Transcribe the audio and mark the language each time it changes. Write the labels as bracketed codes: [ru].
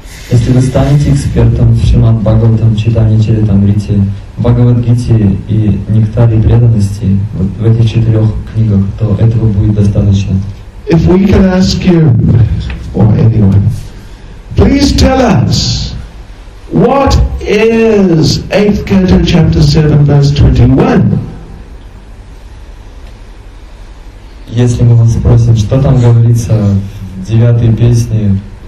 [ru] Если вы станете экспертом в Шримад Бхагаватам, читании Чаритамрите, Бхагавадгите и Нектаре преданности вот в этих четырех книгах, то этого будет достаточно. [en] If we can ask you, or anyone, please tell us, what is 8th Canto, chapter 7, verse 21? [ru] Если мы вас спросим, что там говорится в 9-й песне,